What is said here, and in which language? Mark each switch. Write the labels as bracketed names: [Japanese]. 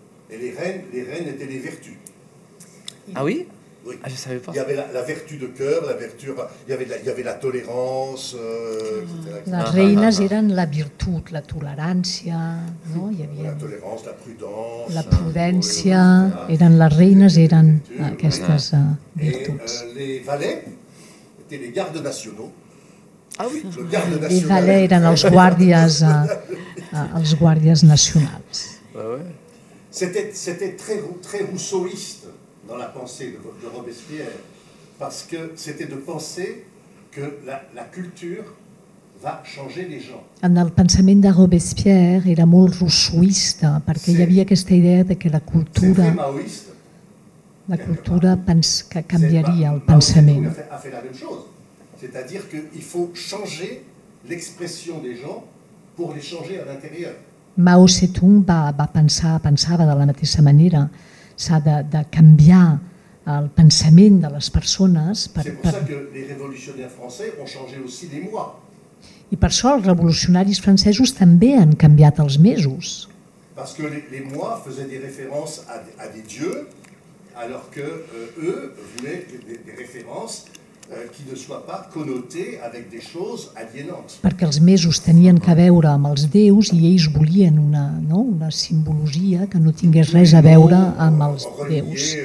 [French] Et les reines étaient les vertus. Ah oui, oui. Ah, je savais pas. Il y avait la vertu de cœur, la vertu, il y avait la tolérance, etc. [Catalan] Les reines eren la virtut, la tolerància, no? Hi havia la tolerància, la prudència. La prudència, eren les reines, eren aquestes virtuts. [French] Les valets étaient les gardes nationaux. Ah oui, les gardes nationaux. [Catalan] Les valets eren els guàrdies nacionals. [French] C'était très, très rousseauiste dans la pensée de Robespierre, parce que c'était de penser que la culture va changer les gens. [Catalan] En el pensament de Robespierre era molt rousseauiste, perquè hi havia aquesta idea de que la cultura... [French] C'est très maoïste. [Catalan] La cultura que canviaria el pensament. [French] Maoïste a fait la même chose. C'est-à-dire qu'il faut changer l'expression des gens pour les changer à l'intérieur. [Catalan] Mao Zedong pensava de la mateixa manera. S'ha de canviar el pensament de les persones. [French] C'est pour ça que les révolutionnaires français ont changé aussi les mois. [Catalan] I per això els revolucionaris francesos també han canviat els mesos. [French] Parce que les mois faisaient des références à des dieux, alors que eux voulaient des références qui ne soit pas connoté avec des choses aliénantes. [Catalan] Perquè els mesos tenien que veure amb els déus i ells volien una, no?, una simbologia que no tingués res a veure amb els déus.